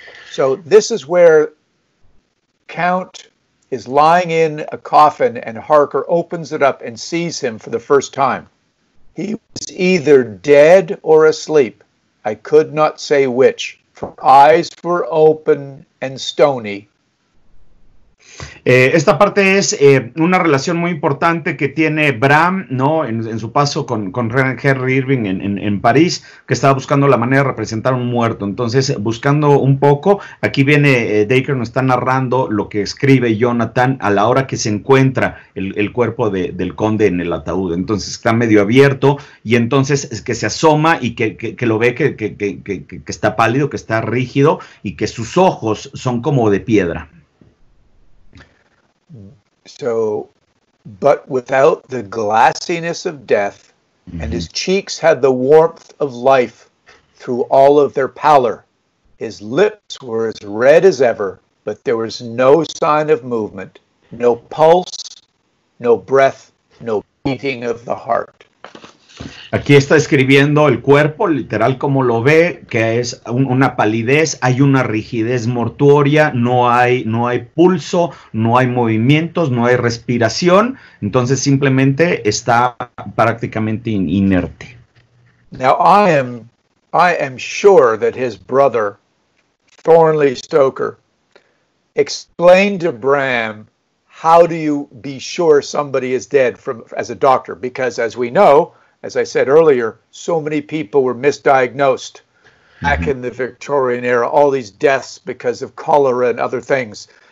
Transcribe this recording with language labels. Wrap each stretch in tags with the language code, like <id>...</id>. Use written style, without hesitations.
<en>So this is where Count is lying in a coffin, and Harker opens it up and sees him for the first time. He was either dead or asleep. I could not say which, for eyes were open and stony.</en> <es>Esta parte es una relación muy importante que tiene Bram, ¿no? En su paso con Henry Irving en París, que estaba buscando la manera de representar un muerto. Entonces, buscando un poco, aquí viene Dacre, nos está narrando lo que escribe Jonathan a la hora que se encuentra el cuerpo del conde en el ataúd. Entonces, está medio abierto y entonces es que se asoma y que lo ve que está pálido, que está rígido y que sus ojos son como de piedra.</es> <en>So, but without the glassiness of death, mm-hmm. and his cheeks had the warmth of life through all of their pallor. His lips were as red as ever, but there was no sign of movement, no pulse, no breath, no beating of the heart.</en> <es>Aquí está escribiendo el cuerpo, literal como lo ve, que es una palidez, hay una rigidez mortuoria, no hay pulso, no hay movimientos, no hay respiración, entonces simplemente está prácticamente inerte.</es> <en>Now I am sure that his brother, Thornley Stoker, explain to Bram, how do you be sure somebody is dead from as a doctor? Because as we know, as I said earlier, so many people were misdiagnosed back in the Victorian era, all these deaths because of cholera and other things.</en>